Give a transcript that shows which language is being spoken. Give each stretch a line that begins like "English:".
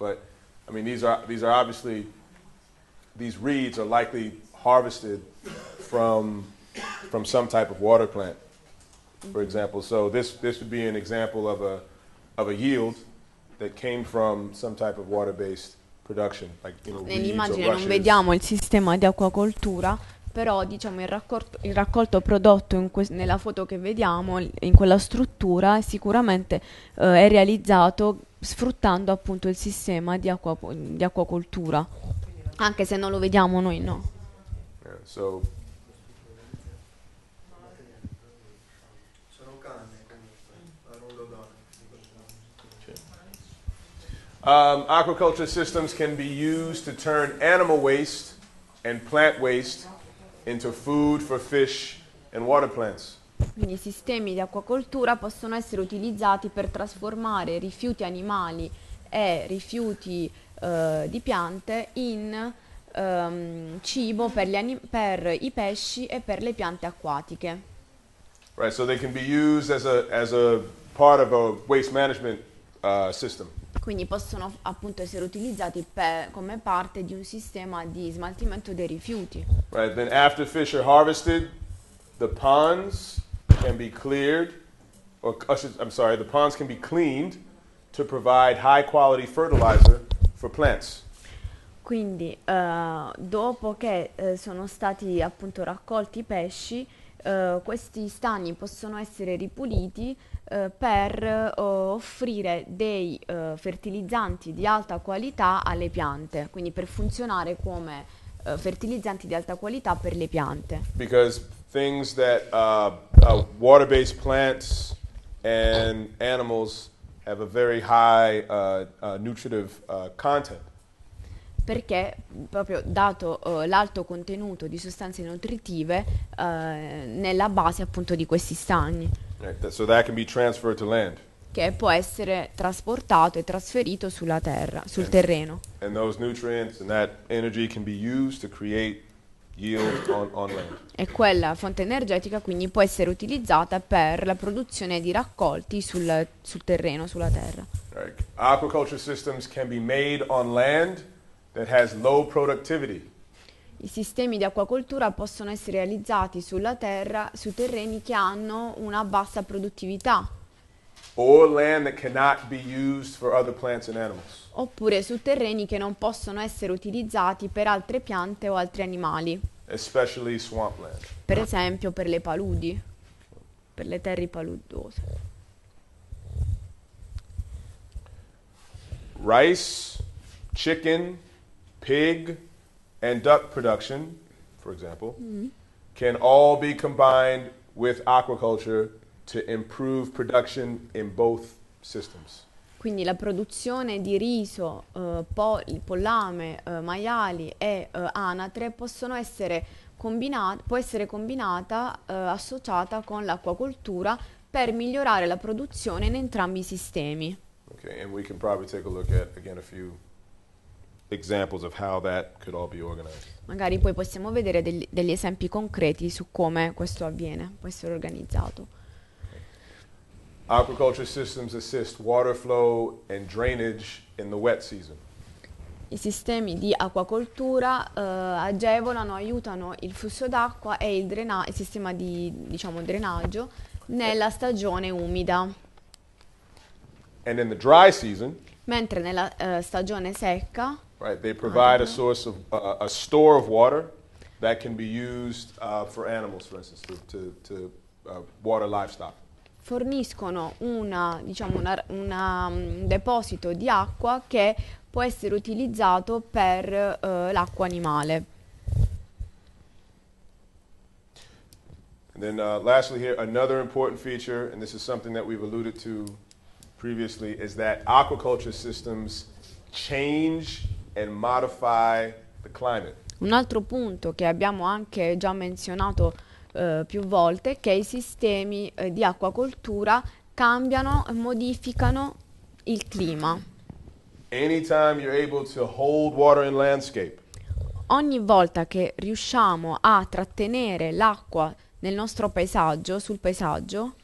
English: But I mean, these are obviously these reeds are likely harvested from some type of water plant, for example. So this would be an example of a yield that came from some type of water-based production, like you know, reeds or rushes.
Italian: Nell'immagine non vediamo il sistema di acquacoltura. Però diciamo il raccolto prodotto in nella foto che vediamo in quella struttura sicuramente è realizzato sfruttando appunto il sistema di acquacoltura, anche se non lo vediamo noi, no.
English: Yeah, so.
Italian: Sono canne.
English: Aquaculture systems can be used to turn animal waste and plant waste into food for fish and water plants.
Italian: Quindi i sistemi di acquacoltura possono essere utilizzati per trasformare rifiuti animali e rifiuti di piante in cibo per i pesci e per le piante acquatiche.
English: Right, so they can be used as a part of a waste management system.
Italian: Quindi possono appunto essere utilizzati come parte di un sistema di smaltimento dei rifiuti.
English: Right, then after fish are harvested, the ponds can be cleared, the ponds can be cleaned to provide high quality fertilizer for plants.
Italian: Quindi, dopo che sono stati appunto raccolti i pesci, questi stagni possono essere ripuliti per offrire dei fertilizzanti di alta qualità alle piante, quindi per funzionare come fertilizzanti di alta qualità per le piante.
English: Because things that water-based plants and animals have a very high nutritive content.
Italian: Perché proprio dato l'alto contenuto di sostanze nutritive nella base appunto di questi stagni.
English: Right, so that can be transferred to land.
Italian: Che può essere trasportato e trasferito sulla terra, sul terreno.
English: And those nutrients and that energy can be used to create yield on land.
Italian: E quella fonte energetica quindi può essere utilizzata per la produzione di raccolti sul terreno, sulla terra.
English: Right. Aquaculture systems can be made on land that has low productivity.
Italian: I sistemi di acquacoltura possono essere realizzati sulla terra, su terreni che hanno una bassa produttività.
English: Or land that cannot be used for other plants and animals.
Italian: Oppure su terreni che non possono essere utilizzati per altre piante o altri animali.
English: Especially swampland.
Italian: Per esempio per le paludi, per le terre paludose.
English: Rice, chicken, pig and duck production, for example, can all be combined with aquaculture to improve production in both systems.
Italian: Quindi la produzione di riso, pollame, maiali e anatre possono essere combinata associata con l'acquacoltura per migliorare la produzione in entrambi i sistemi.
English: Okay, and we can probably take a look at again a few examples of how that could all be organized.
Italian: Magari poi possiamo vedere degli esempi concreti su come questo avviene, può essere organizzato.
English: Aquaculture systems assist water flow and drainage in the wet season.
Italian: I sistemi di acquacoltura agevolano, aiutano il flusso d'acqua e il sistema di, diciamo, drenaggio nella stagione umida.
English: And in the dry season,
Italian: mentre nella stagione secca,
English: right, they provide a source of a store of water that can be used for animals, for instance, to water livestock.
Italian: Forniscono una, diciamo, una un deposito di acqua che può essere utilizzato per l'acqua animale.
English: And then lastly here, another important feature, and this is something that we've alluded to previously, is that aquaculture systems change and modify the climate.
Italian: Un altro punto che abbiamo anche già menzionato più volte, che i sistemi di acquacoltura cambiano e modificano il clima.
English: Anytime you're able to hold water in landscape,
Italian: ogni volta che riusciamo a trattenere l'acqua nel nostro paesaggio, sul paesaggio,